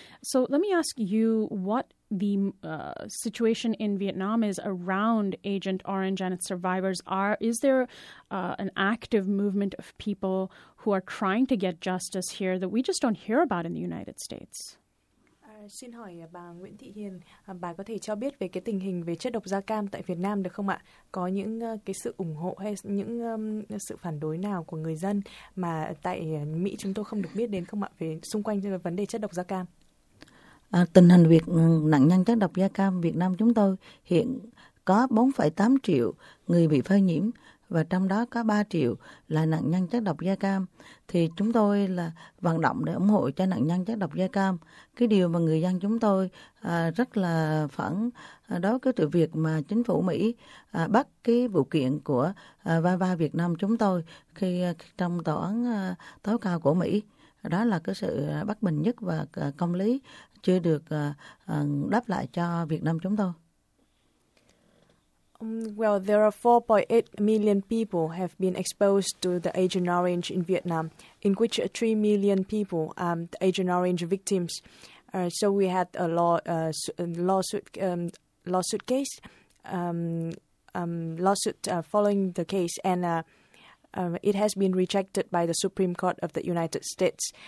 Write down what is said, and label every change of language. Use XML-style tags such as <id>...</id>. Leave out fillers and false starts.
<en>So let me ask you what the situation in Vietnam is around Agent Orange and its survivors. Is there an active movement of people who are trying to get justice here that we just don't hear about in the United States?</en> <vi>Xin hỏi bà Nguyễn Thị Hiền, bà có thể cho biết về cái tình hình về chất độc da cam tại Việt Nam được không ạ? Có những cái sự ủng hộ hay những sự phản đối nào của người dân mà tại Mỹ chúng tôi không được biết đến không ạ về xung quanh cái vấn đề chất độc da cam? Tình hình việc nạn nhân chất độc da cam Việt Nam chúng tôi hiện có 4,8 triệu người bị phơi nhiễm và trong đó có 3 triệu là nạn nhân chất độc da cam, thì chúng tôi là vận động để ủng hộ cho nạn nhân chất độc da cam. Cái điều mà người dân chúng tôi rất là phẫn đó cái sự việc mà chính phủ Mỹ bắt cái vụ kiện của Vava Việt Nam chúng tôi khi trong tòa án tối cao của Mỹ. Đó là cái sự bất bình nhất và công lý chưa được đáp lại cho Việt Nam chúng tôi.</vi> <en>Well, there are 4.8 million people have been exposed to the Agent Orange in Vietnam, in which 3 million people are the Agent Orange victims. So we had a lawsuit following the case, and it has been rejected by the Supreme Court of the United States.</en>